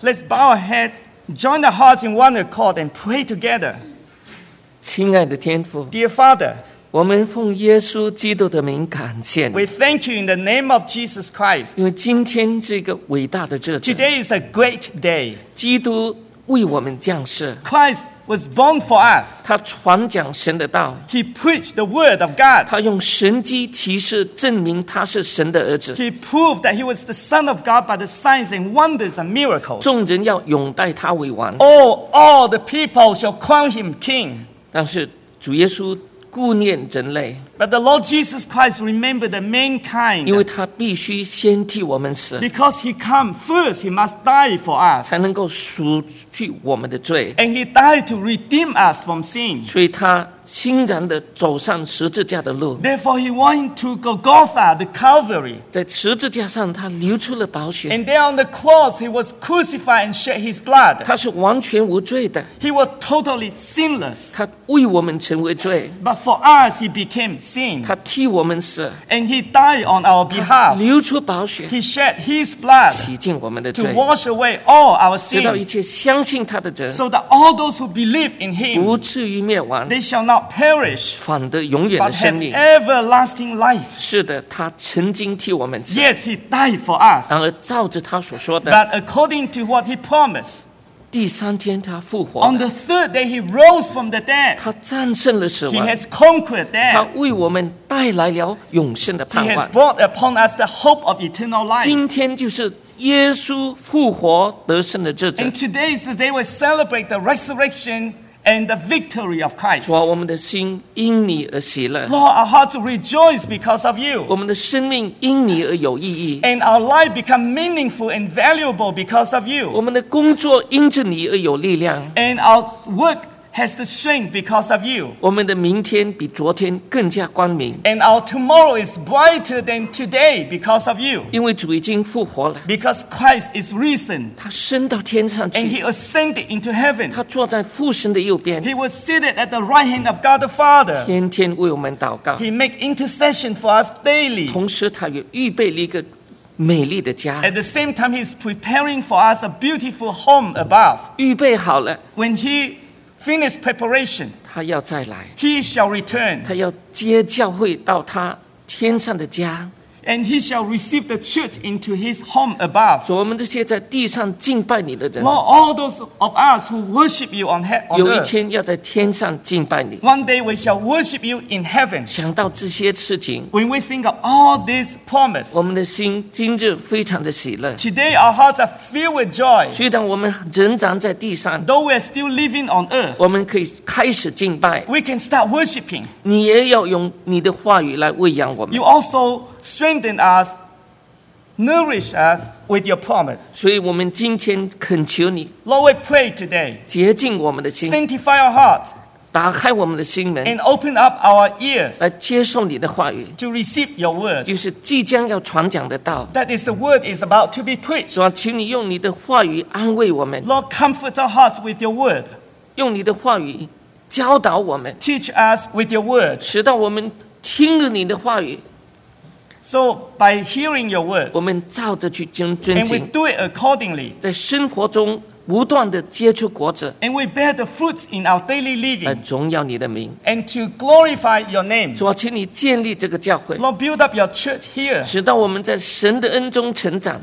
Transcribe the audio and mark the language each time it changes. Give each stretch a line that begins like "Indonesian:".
English: Let's bow our heads, join our hearts in one accord, and pray together.
Chinese: 亲爱的天父
English: Dear Father,
Chinese: 我们奉耶稣基督的名感谢你
English: We thank you in the name of Jesus Christ.
Chinese: 因为今天是一个伟大的日子
English: Today is a great day.
Chinese: 基督为我们降世
English: Christ was born for us.
Chinese: 他传讲神的道。
English: He preached the word of God.
Chinese: 他用神迹奇事证明他是神的儿子。
English: He proved that he was the son of God by the signs and wonders and miracles.
Chinese: 众人要拥戴他为王。
English: All the people shall crown him king.
Chinese: 但是主耶稣顾念人类。
English: But the Lord Jesus Christ remembered the mankind.
Chinese: 因为他必须先替我们死。
English: Because he came first, he must die for us.
Chinese: 才能够赎去我们的罪。
English: And he died to redeem us from sin.
Chinese: 所以他欣然地走上十字架的路。
English: Therefore he went to Golgotha, the Calvary.
Chinese: 在十字架上他流出了宝血。
English: And there on the cross he was crucified and shed his blood.
Chinese: 他是完全无罪的。
English: He was totally sinless.
Chinese: 他为我们成为罪。
English: But for us he became sin.
Chinese: 他替我们死。
English: And he died on our behalf.
Chinese: 流出宝血。
English: He shed his blood.
Chinese: 洗净我们的罪。
English: To wash away all our sins.
Chinese: 直到一切相信他的人。
English: So that all those who believe in him.
Chinese: 不至于灭亡。
English: They shall not perish.
Chinese: 反得永远的生命。
English: But have everlasting life.
Chinese: 是的，他曾经替我们死。
English: Yes, he died for us.
Chinese: 然而照着他所说的。
English: But according to what he promised.
Chinese: 第三天他复活了。
English: On the third day he rose from the dead.
Chinese: 他战胜了死亡。
English: He has conquered death.
Chinese: 他为我们带来了永生的盼望。
English: He has brought upon us the hope of eternal life.
Chinese: 今天就是耶稣复活得胜的日子。
English: And today is the day we celebrate the resurrection and the victory of Christ.
Chinese: 主啊，我们的心因你而喜乐。
English: Lord, our hearts rejoice because of you.
Chinese: 我们的生命因你而有意义。
English: And our life become meaningful and valuable because of you.
Chinese: 我们的工作因着你而有力量。
English: And our work has the strength because of you.
Chinese: 我们的明天比昨天更加光明。
English: And our tomorrow is brighter than today because of you.
Chinese: 因为主已经复活了。
English: Because Christ is risen.
Chinese: 他升到天上去。
English: And he ascended into heaven.
Chinese: 他坐在父神的右边。
English: He was seated at the right hand of God the Father.
Chinese: 天天为我们祷告。
English: He make intercession for us daily.
Chinese: 同时他也预备了一个美丽的家。
English: At the same time, he is preparing for us a beautiful home above.
Chinese: 预备好了。
English: When he finish preparation.
Chinese: 他要再来。
English: He shall return.
Chinese: 他要接教会到他天上的家。
English: And he shall receive the church into his home above.
Chinese: 所以我们这些在地上敬拜你的人。
English: Lord, all those of us who worship you on earth.
Chinese: 有一天要在天上敬拜你。
English: One day we shall worship you in heaven.
Chinese: 想到这些事情。
English: When we think of all this promise.
Chinese: 我们的心今日非常的喜乐。
English: Today our hearts are filled with joy.
Chinese: 虽然我们仍然在地上。
English: Though we are still living on earth.
Chinese: 我们可以开始敬拜。
English: We can start worshiping.
Chinese: 你也要用你的话语来喂养我们。
English: You also strengthen us, nourish us with your promise.
Chinese: 所以我们今天恳求你。
English: Lord, we pray today.
Chinese: 洁净我们的心。
English: Sanctify our hearts.
Chinese: 打开我们的心门。
English: And open up our ears.
Chinese: 来接受你的话语。
English: To receive your word.
Chinese: 就是即将要传讲的道。
English: That is the word is about to be preached.
Chinese: 主啊，请你用你的话语安慰我们。
English: Lord, comfort our hearts with your word.
Chinese: 用你的话语教导我们。
English: Teach us with your word.
Chinese: 使到我们听了你的话语。
English: So by hearing your words,
Chinese: 我们照着去遵行
English: and we do it accordingly,
Chinese: 在生活中不断地结出果子
English: and we bear the fruits in our daily living,
Chinese: 来荣耀你的名
English: and to glorify your name.
Chinese: 主啊，请你建立这个教会
English: Lord, build up your church here,
Chinese: 使到我们在神的恩中成长